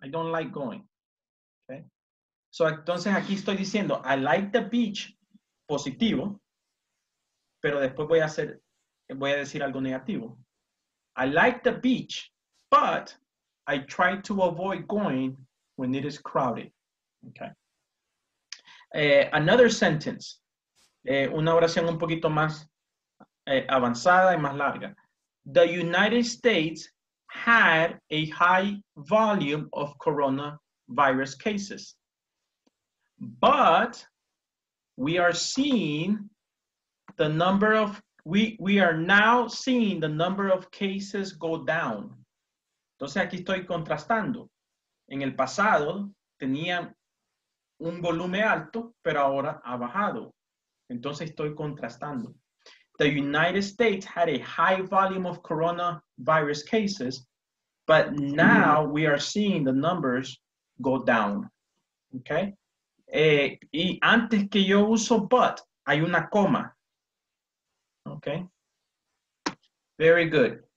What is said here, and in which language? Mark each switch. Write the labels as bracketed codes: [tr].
[en] I don't like going. [es] Okay? So, entonces aquí estoy diciendo, [en] I like the beach, [es] positivo, pero después voy a hacer, voy a decir algo negativo. [en] I like the beach, but I try to avoid going when it is crowded. Okay. [es] Another sentence, una oración un poquito más avanzada y más larga. [en] The United States had a high volume of coronavirus cases, but we are seeing the number of, we are now seeing the number of cases go down. [es] Entonces aquí estoy contrastando. En el pasado tenían un volumen alto, pero ahora ha bajado. Entonces estoy contrastando. [en] The United States had a high volume of coronavirus cases, but now we are seeing the numbers go down. [es] Okay? Y antes que yo uso but, hay una coma. Okay? Very good.